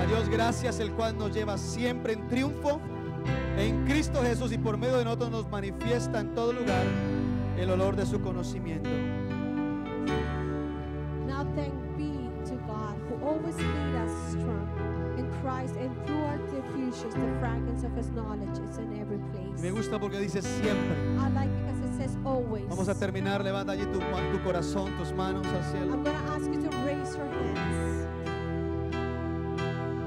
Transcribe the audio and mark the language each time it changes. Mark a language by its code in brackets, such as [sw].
[es] a Dios gracias, el cual nos lleva siempre en triunfo en Cristo Jesús, y por medio de nosotros nos manifiesta en todo lugar el olor de su conocimiento. [en] Now thank be to God who always made us strong in Christ, and through our diffusions the fragrance of his knowledge is in every place. [es] Me gusta porque dice siempre. [en] I like it. Always. [es] Vamos a terminar, levanta allí tu corazón, tus manos al cielo. [en] I'm gonna ask you to raise your hands.